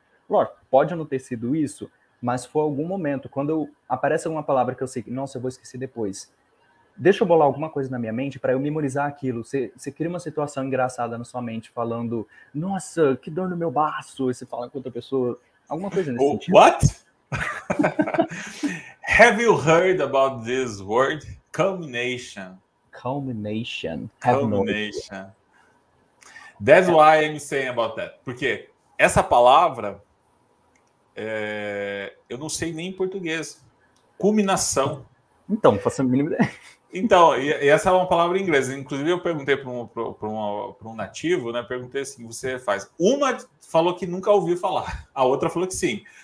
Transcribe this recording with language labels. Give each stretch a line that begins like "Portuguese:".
Portuguese: Lógico, pode não ter sido isso, mas foi algum momento. Quando aparece alguma palavra que eu sei, nossa, eu vou esquecer depois. Deixa eu bolar alguma coisa na minha mente para eu memorizar aquilo. Você cria uma situação engraçada na sua mente falando, nossa, que dor no meu baço. E você fala com outra pessoa. Alguma coisa nesse sentido.
English: What? Have you heard about this word? Culmination. Culmination. Culmination. That's why I'm saying about that.
Portuguese: Porque essa palavra, eu não sei nem em português. Culminação. Então, faça a mínima ideia. Então, e essa é uma palavra em inglês. Inclusive, eu perguntei para um nativo, né? Perguntei assim, você faz. Uma falou que nunca ouviu falar. A outra falou que sim.